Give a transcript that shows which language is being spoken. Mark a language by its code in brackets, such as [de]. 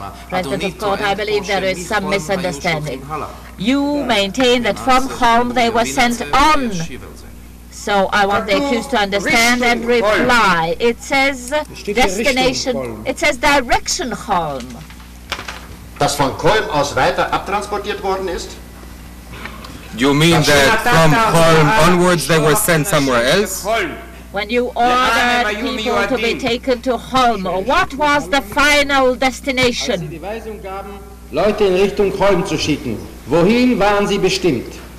[en] President of Court, I believe there is some misunderstanding. You maintain that from Köln they were sent on. So I want the accused to understand and reply. It says destination, it says direction Köln. [de] Das von Köln aus weiter abtransportiert worden ist? [en] You mean that from Köln onwards they were sent somewhere else? When you ordered people to be taken to Köln, what was the final destination? [de] Als sie die Weisung gaben, Leute in Richtung Köln zu schicken, wohin waren sie bestimmt?